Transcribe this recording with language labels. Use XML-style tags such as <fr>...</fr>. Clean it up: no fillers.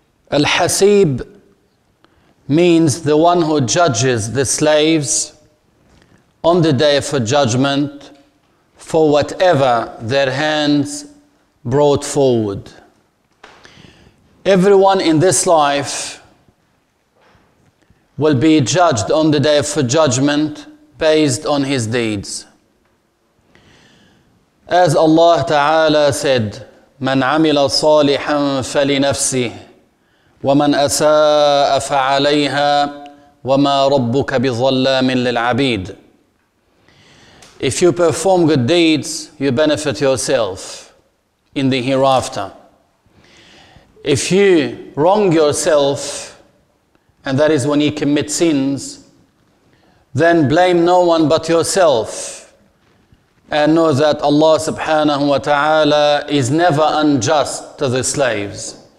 <en>Al-Hasib means the one who judges the slaves on the day of judgment for whatever their hands brought forward. Everyone in this life will be judged on the day of judgment based on his deeds. As Allah Ta'ala said,</en> <ar>مَنْ عَمِلَ صَالِحًا فَلِنَفْسِهِ وَمَنْ أَسَاءَ فَعَلَيْهَا وَمَا رَبُّكَ بِظَلَّامٍ لِلْعَبِيدِ.</ar> <en>If you perform good deeds, you benefit yourself in the hereafter. If you wrong yourself, and that is when you commit sins, then blame no one but yourself, and know that Allah subhanahu wa ta'ala is never unjust to the slaves.</en>